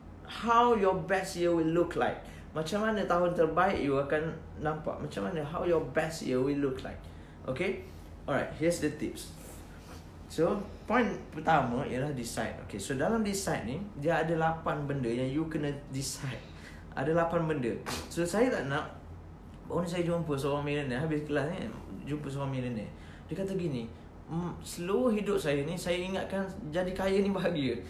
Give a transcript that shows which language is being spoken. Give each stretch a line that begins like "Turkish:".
English: how your best year will look like.
Malay: Macam mana tahun terbaik you akan nampak. Macam mana
English: how your best year will look like. Okay? Alright, here's the tips.
Malay: So, point pertama ialah decide. Okay, so dalam decide ni, dia ada 8 benda yang you kena decide. Ada 8 benda. So, saya tak nak, baru ni saya jumpa seorang millionaire, habis kelas ni, jumpa seorang millionaire. Dia kata gini, seluruh hidup saya ni, saya ingatkan jadi kaya ni bahagia.